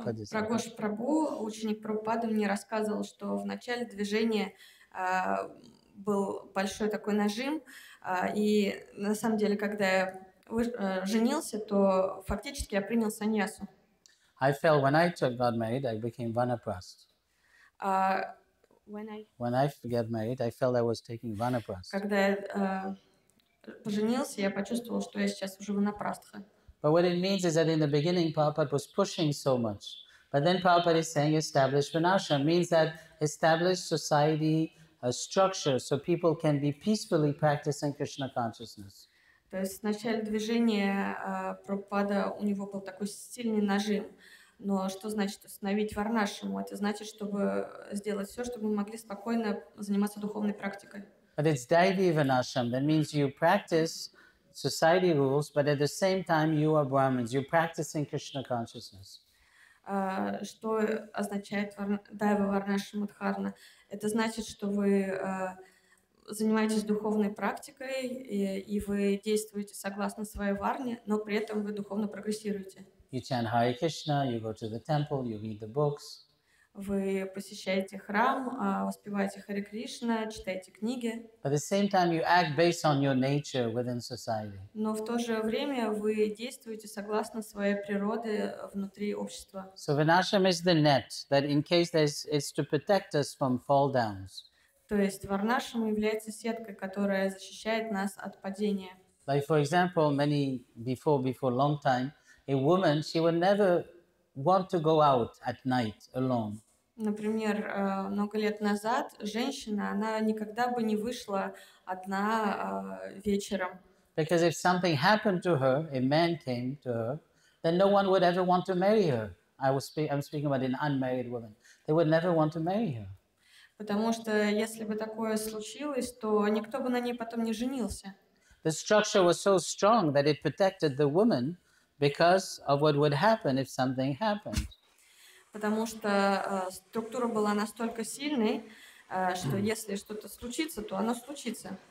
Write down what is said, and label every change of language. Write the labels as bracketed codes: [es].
[ru] Pragosh Prabhu, ученик Прабхупады, мне рассказывал, что в начале движения был большой такой нажим, и на самом деле, когда я женился, то фактически я принял саньясу. [en] I felt when I took God married, I became vanaprast. When I got married, I felt I was taking vanaprastha. [ru] Когда я поженился, я почувствовал, что я сейчас уже ванапрастха. [en] But what it means is that in the beginning, Prabhupada was pushing so much. But then Prabhupada is saying, establish vanashram, means that establish society, a structure, so people can be peacefully practicing Krishna consciousness. [ru] То есть в начале движения Прабхупада, у него был такой сильный нажим. Но что значит установить варнашему? Это значит, чтобы сделать все, чтобы мы могли спокойно заниматься духовной практикой. [en] But it's daivi varnashram. That means you practice society rules, but at the same time you are Brahmins. You're practicing Krishna consciousness. [ru] Что означает даива варнашрама дхарма? Это значит, что вы занимаетесь духовной практикой, и вы действуете согласно своей варне, но при этом вы духовно прогрессируете. [en] You chant Hare Krishna, you go to the temple, you read the books. [ru] вы посещаете храм, воспеваете Харе Кришна, читаете книги. [en] At the same time, you act based on your nature within society. [ru] Но в то же время вы действуете согласно своей природе внутри общества. [en] So Varnashram is the net that in case there's, it's to protect us from fall downs. [ru] То есть Варнашрам является сеткой, которая защищает нас от падения. [en] Like for example, many before long time, a woman, she would never want to go out at night alone. [ru] Например, много лет назад женщина, она никогда бы не вышла одна вечером. [en] Because if something happened to her, a man came to her, then no one would ever want to marry her. I'm speaking about an unmarried woman. They would never want to marry her. [ru] Потому что если бы такое случилось, то никто бы на ней потом не женился. [en] The structure was so strong that it protected the woman because of what would happen if something happened. [ru] Потому что структура была настолько сильной, что если что-то случится, то оно случится.